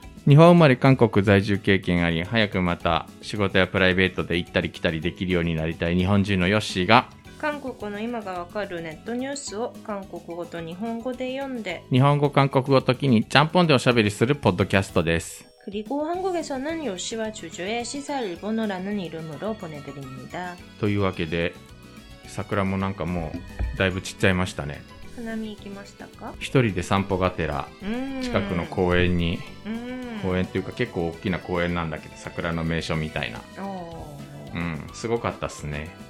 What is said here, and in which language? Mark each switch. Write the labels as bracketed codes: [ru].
[ja] 日本生まれ、韓国在住経験あり、早くまた仕事やプライベートで行ったり来たりできるようになりたい日本人のヨッシーが、韓国の今がわかるネットニュースを韓国語と日本語で読んで、日本語、韓国語ときにちゃんぽんでおしゃべりするポッドキャストです。 [ko] 그리고한국에서는요시와주주의시사일본어라는이름으로보내드립니다。 [ja] というわけで、桜もなんかもうだいぶ散っちゃいましたね。花見行きましたか？一人で散歩がてら、近くの公園に、公園っていうか結構大きな公園なんだけど、桜の名所みたいな。おー。うん、すごかったっすね。